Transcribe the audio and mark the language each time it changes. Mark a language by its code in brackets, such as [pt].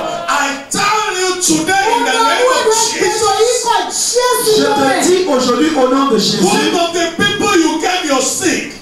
[en] I tell you today in the name of Jesus. [fr] Je te dis aujourd'hui au nom de Jésus. [en] One of the people you gave your seed.